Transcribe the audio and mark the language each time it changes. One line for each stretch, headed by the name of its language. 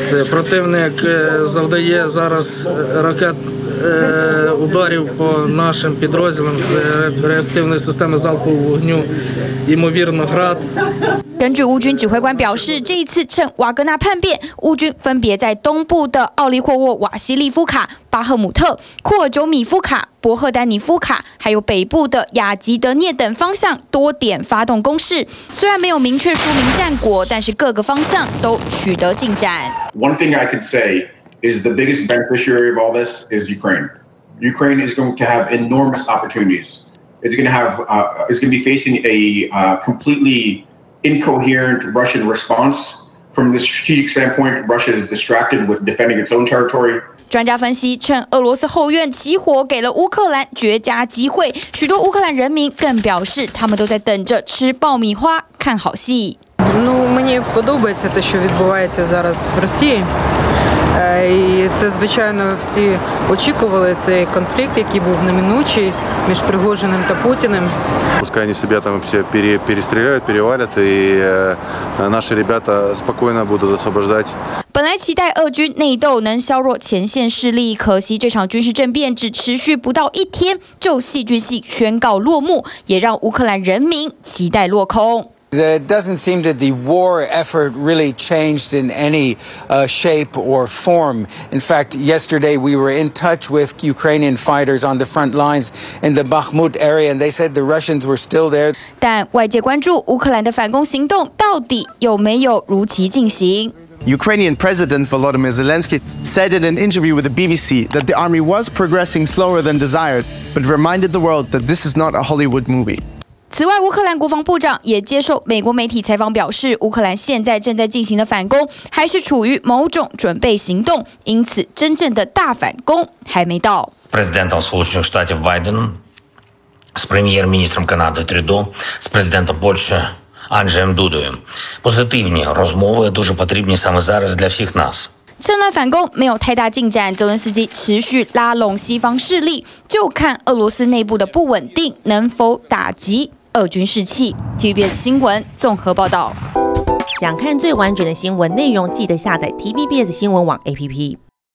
Ukrainian: Противник завдає зараз ракет ударів по нашим підрозділам з реактивної системи залпового вогню, ймовірно, град.
Chinese: 根据乌军指挥官表示，这一次趁瓦格纳叛变，乌军分别在东部的奥利霍沃瓦西利夫卡、巴赫姆特、库尔久米夫卡、博赫丹尼夫卡，还有北部的雅吉德涅等方向多点发动攻势。虽然没有明确说明战果，但是各个方向都取得进展。
English: One thing I could say is the biggest beneficiary of all this is Ukraine. Ukraine is going to have enormous opportunities. is going to be facing a completely incoherent Russian response. From the strategic standpoint, Russia is distracted with defending its own territory.
Chinese: 专家分析，趁俄罗斯后院起火，给了乌克兰绝佳机会。许多乌克兰人民更表示，他们都在等着吃爆米花，看好戏。
Ukrainian: Ну мені подобається те, що відбувається зараз в Росії. І це, звичайно, всі очікували цей конфлікт, який був неминучий між Пригожиним та Путіним. Пускай вони себе там всі перестріляють, перевалять, і наші ребята спокійно будуть освобождати.
Chinese: 本来期待俄军内斗能削弱前线势力，可惜这场军事政变只持续不到一天，就戏剧性宣告落幕，也让乌克兰人民期待落空。
English: It doesn't seem that the war effort really changed in any shape or form. In fact, yesterday we were in touch with Ukrainian fighters on the front lines in the Bakhmut area, and they said the Russians were still there.
Chinese: 但外界关注乌克兰的反攻行动到底有没有如期进行。
English: Ukrainian President Volodymyr Zelensky said in an interview with the BBC that the army was progressing slower than desired, but reminded the world that this is not a Hollywood movie.
Chinese: 此外，乌克兰国防部长也接受美国媒体采访，表示乌克兰现在正在进行的反攻还是处于某种准备行动，因此真正的大反攻还没到。
Ukrainian: Президентом Сполучених Штатів Байденом, з прем'єр-міністром Канади Трюдо, з президентом Польщі Анджеєм Дудою. Позитивні розмови дуже потрібні саме зараз для всіх нас.
Chinese: 趁乱反攻没有太大进展，泽连斯基持续拉拢西方势力，就看俄罗斯内部的不稳定能否打击俄军士气。 TVBS 新闻综合报道。想看最完整的新闻内容，记得下载 TVBS 新闻网 APP。